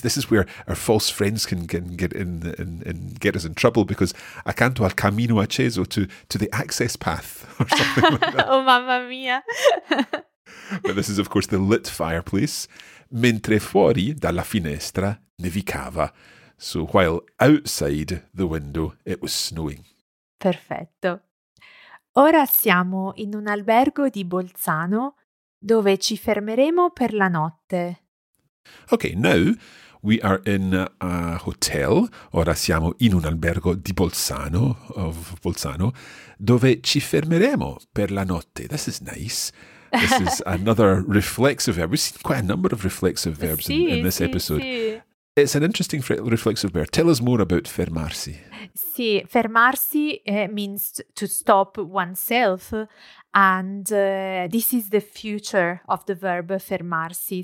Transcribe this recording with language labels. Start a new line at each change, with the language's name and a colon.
English: This is where our false friends can get in get us in trouble, because
Italian: accanto al camino acceso,
English: to the access path or something like that.
Italian: Oh, mamma mia.
English: But this is, of course, the lit fireplace.
Italian: Mentre fuori dalla finestra nevicava.
English: So while outside the window it was snowing.
Italian: Perfetto. Ora siamo in un albergo di Bolzano dove ci fermeremo per la notte.
English: Okay, now we are in a hotel.
Italian: Ora siamo in un albergo di Bolzano,
English: of Bolzano,
Italian: dove ci fermeremo per la notte.
English: This is nice. This is another reflexive verb. We've seen quite a number of reflexive verbs in this episode. It's an interesting reflexive verb. Tell us more about fermarsi. Sì, fermarsi means to stop oneself. And this is the future of the verb fermarsi.